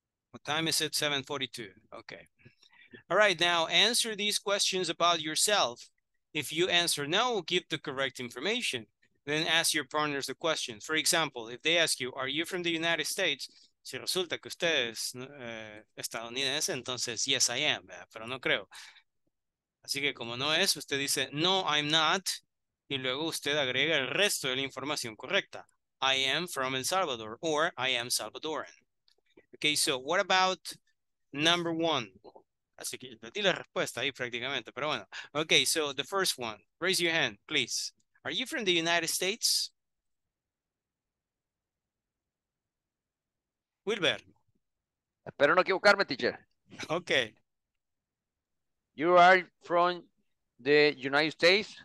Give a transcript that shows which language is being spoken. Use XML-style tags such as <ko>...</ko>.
<en>What time is it? 7:42. Okay. All right, now answer these questions about yourself. If you answer no, give the correct information. Then ask your partners the questions. For example, if they ask you, are you from the United States?</en> <es>Si resulta que usted es estadounidense, entonces,</es> <en>yes, I am,</en> <es>pero no creo. Así que como no es, usted dice,</es> <en>no, I'm not.</en> <es>Y luego usted agrega el resto de la información correcta.</es> <en>I am from El Salvador, or I am Salvadoran. Okay, so what about number one?</en> <es>Así que le di la respuesta ahí prácticamente, pero bueno.</es> <en>Okay, so the first one, raise your hand, please. Are you from the United States? Wilber.</en> <es>Espero no equivocarme, teacher.</es> <en>Okay. You are from the United States?</en>